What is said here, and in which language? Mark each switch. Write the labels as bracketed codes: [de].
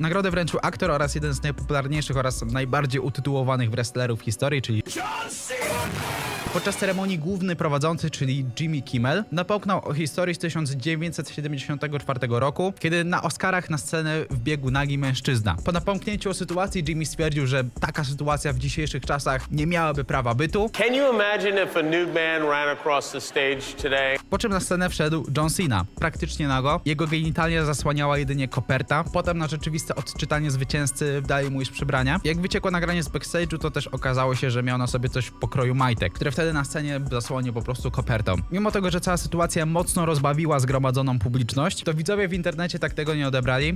[pl] Nagrodę wręczył aktor oraz jeden z najpopularniejszych oraz najbardziej utytułowanych wrestlerów w historii, czyli podczas ceremonii główny prowadzący, czyli Jimmy Kimmel, napomknął o historii z 1974 roku, kiedy na Oscarach na scenę wbiegł nagi mężczyzna. Po napomknięciu o sytuacji Jimmy stwierdził, że taka sytuacja w dzisiejszych czasach nie miałaby prawa bytu. [en] Can you imagine if a nude man ran across the stage today? [pl] Po czym na scenę wszedł John Cena, praktycznie nago. Jego genitalia zasłaniała jedynie koperta. Potem na rzeczywiste odczytanie zwycięzcy dali mu już przebrania. Jak wyciekło nagranie z backstage'u, to też okazało się, że miał na sobie coś w pokroju majtek, które wtedy na scenie zasłonił po prostu kopertą. Mimo tego, że cała sytuacja mocno rozbawiła zgromadzoną publiczność, to widzowie w internecie tak tego nie odebrali.